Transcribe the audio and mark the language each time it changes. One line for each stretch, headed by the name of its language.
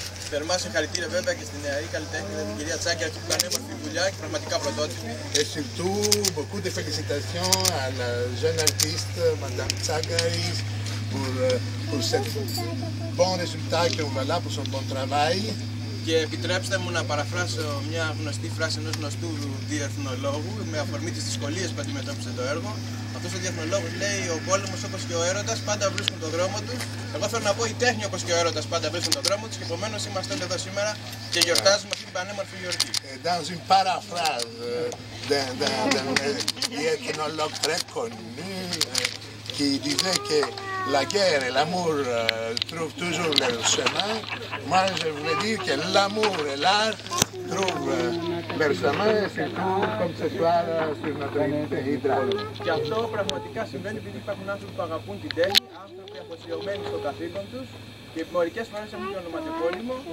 Greek: Θερμά συγχαρητήρια βέβαια και στην νεαρή καλλιτέχνη, την κυρία Τσάκη, για την πανέμορφη δουλειά και πραγματικά πρωτότυπη.
French: Et surtout, beaucoup de félicitations à la jeune artiste, madame Tsagari, pour ce bon résultat que vous avez là, pour son bon travail.
Greek: Και επιτρέψτε μου να παραφράσω μια γνωστή φράση ενός γνωστού διεθνολόγου με αφορμή τις δυσκολίες που αντιμετώπισε το έργο. Αυτός ο διεθνολόγος λέει: Ο πόλεμος όπως και ο έρωτας πάντα βρίσκουν τον δρόμο τους. Εγώ θέλω να πω: Η τέχνη όπως και ο έρωτας πάντα βρίσκουν τον δρόμο τους. Και επομένως είμαστε εδώ σήμερα και γιορτάζουμε αυτή την πανέμορφη γιορτή.
French: Dans une paraphrase d'un διεθνολόγο très connu qui disait que la guerre et l'amour trouvent toujours leur chemin. Moi, je voulais dire que l'amour et l'art trouvent leur chemin, et surtout comme ce soir sur notre île hydrale.
Greek: Και αυτό πραγματικά συμβαίνει επειδή υπάρχουν άνθρωποι που αγαπούν την τέχνη, άνθρωποι αποσιωμένοι στο καθήκον τους και μερικές φορές έχουν και ονοματεπώνυμο.